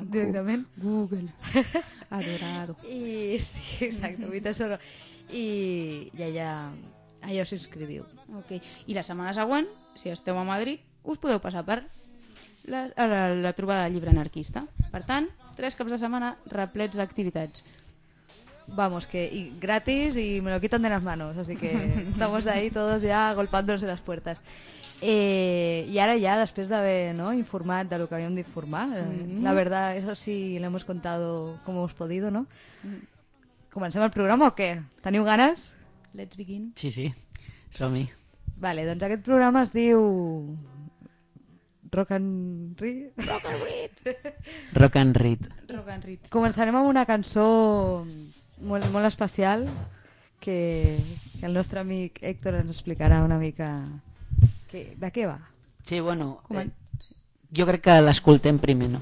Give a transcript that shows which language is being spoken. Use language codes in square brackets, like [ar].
[ca] directament. Google. Adorado. I, sí, exacte, vuit és oro. I allà us inscriviu. Okay. I la setmana següent, si esteu a Madrid, us podeu passar per la trobada del llibre anarquista. Per tant, tres caps de setmana replets d'activitats. [es] Vamos, que y gratis y me lo quitan de las manos, así que estamos ahí todos ya golpándonos en las puertas. [ca] I ara ja, després d'haver, no, informat de lo que havíem d'informar, [es] la verdad, eso sí, lo hemos contado como hemos podido, [ca] ¿no? Comencem el programa o què? Teniu ganes? [en] Let's begin. [ca] Sí, sí, som-hi. Vale, doncs aquest programa es diu... Rock and Read? Rock and Read! Rock and Read. Rock and Read. Començarem amb una cançó molt, molt especial que el nostre amic Héctor ens explicarà una mica... [es] ¿De qué va? Sí, bueno, yo creo que la escuchen primero.